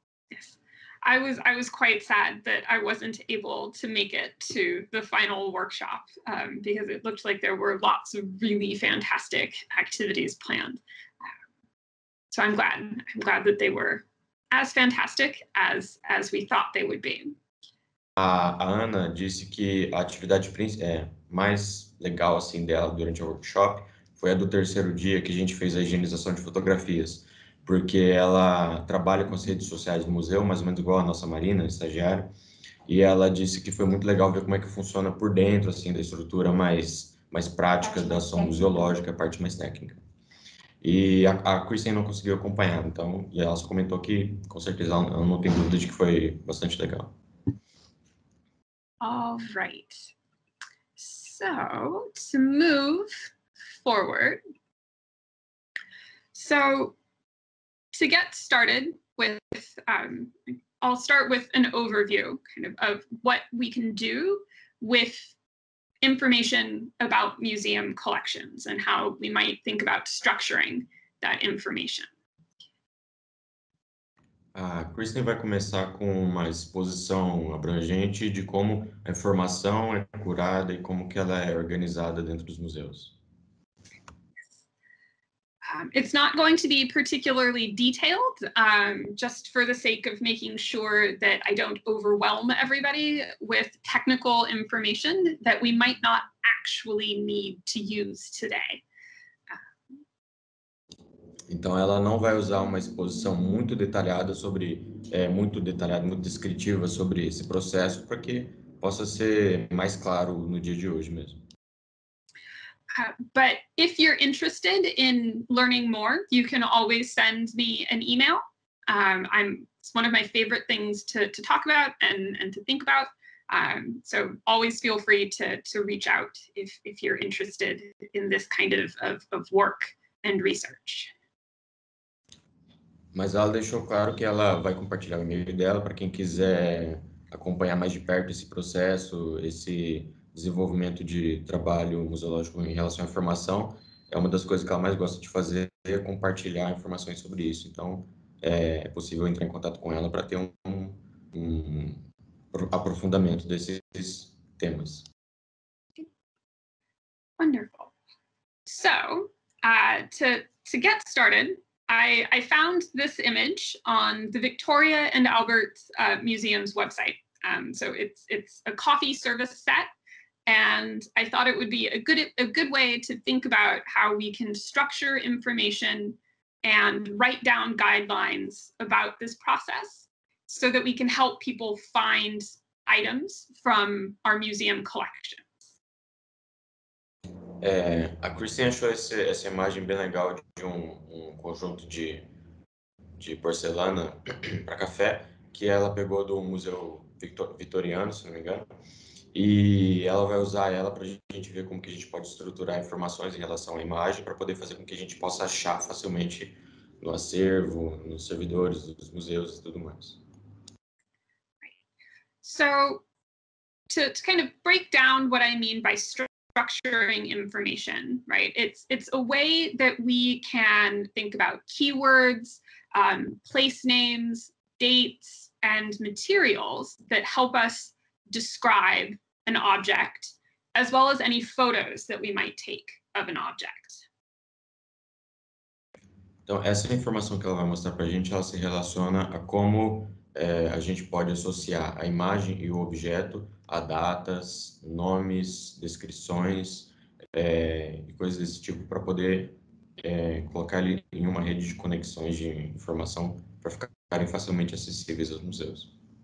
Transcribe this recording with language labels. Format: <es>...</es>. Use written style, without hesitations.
<en>Yes, I was quite sad that I wasn't able to make it to the final workshop because it looked like there were lots of really fantastic activities planned. So I'm glad that they were as fantastic as we thought they would be.</en> <pt>A Ana disse que a atividade mais legal assim dela durante o workshop foi a do terceiro dia, que a gente fez a higienização de fotografias, porque ela trabalha com as redes sociais do museu, mais ou menos igual a nossa Marina, estagiária, e ela disse que foi muito legal ver como é que funciona por dentro assim da estrutura mais prática da ação museológica, a parte mais técnica. E a Kristen não conseguiu acompanhar, então, e ela só comentou que, com certeza, ela não tem dúvida de que foi bastante legal.</pt> <en>All right. So, to move forward. So, to get started with, I'll start with an overview, kind of what we can do with information about museum collections and how we might think about structuring that information.</en> <pt>Kristen vai começar com uma exposição abrangente de como a informação é curada e como que ela é organizada dentro dos museus.</pt> <en>It's not going to be particularly detailed, just for the sake of making sure that I don't overwhelm everybody with technical information that we might not actually need to use today.</en> <pt>Então ela não vai usar uma exposição muito detalhada sobre, muito detalhada, muito descritiva sobre esse processo para que possa ser mais claro no dia de hoje mesmo.</pt> <en>But if you're interested in learning more, you can always send me an email. It's one of my favorite things to talk about and to think about. So always feel free to reach out if you're interested in this kind of work and research.</en> <pt>Mas ela deixou claro que ela vai compartilhar o e-mail dela para quem quiser acompanhar mais de perto esse processo, esse desenvolvimento de trabalho museológico em relação à informação. É uma das coisas que ela mais gosta de fazer, é compartilhar informações sobre isso. Então, é possível entrar em contato com ela para ter um aprofundamento desses temas.</pt> <en>Wonderful. So, to get started, I found this image on the Victoria and Albert Museum's website. So it's a coffee service set, and I thought it would be a good way to think about how we can structure information and write down guidelines about this process so that we can help people find items from our museum collection.</en> <pt>A Kristen achou essa imagem bem legal de um conjunto de porcelana para café que ela pegou do Museu Vitoriano, se não me engano, e ela vai usar ela para a gente ver como que a gente pode estruturar informações em relação à imagem para poder fazer com que a gente possa achar facilmente no acervo, nos servidores dos museus e tudo mais.</pt> <en>So, to kind of break down what I mean by structuring information, right? It's a way that we can think about keywords, place names, dates, and materials that help us describe an object, as well as any photos that we might take of an object.</en> <pt>Então, essa informação que ela vai mostrar para a gente, ela se relaciona a como a gente pode associar a imagem e o objeto a datas, nomes, descrições, e coisas desse tipo para poder colocar ele em uma rede de conexões de informação para ficarem facilmente acessíveis aos museus.</pt>